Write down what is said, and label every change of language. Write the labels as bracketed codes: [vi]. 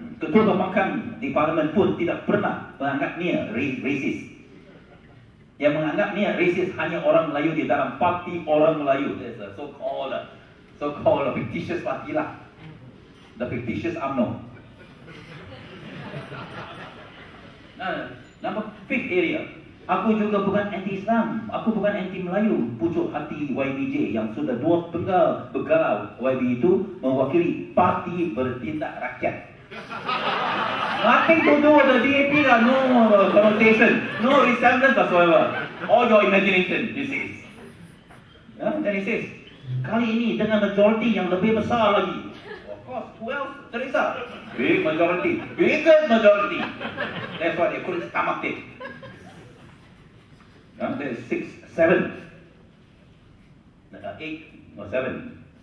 [ms] Ketua pembangkang di parlimen pun tidak pernah menganggap dia rasis. Yang menganggap dia rasis hanya orang Melayu di dalam parti orang Melayu. [en] That's a so-called a fictitious party lah. The fictitious UMNO. [ms] Nama fake area. Aku juga bukan anti-Islam. Aku bukan anti-Melayu. Pucuk hati YBJ yang sudah dua penggal begalau YB itu mewakili parti bertindak rakyat. [en] Nothing to do with the DAP lah. No connotation. No resemblance whatsoever. All your imagination, this is. Yeah? Then he says, [ms] kali ini dengan majority yang lebih besar lagi. [en] Well, Teresa, big majority, biggest majority. That's why they couldn't stomach it. Now there's six, seven, eight or seven.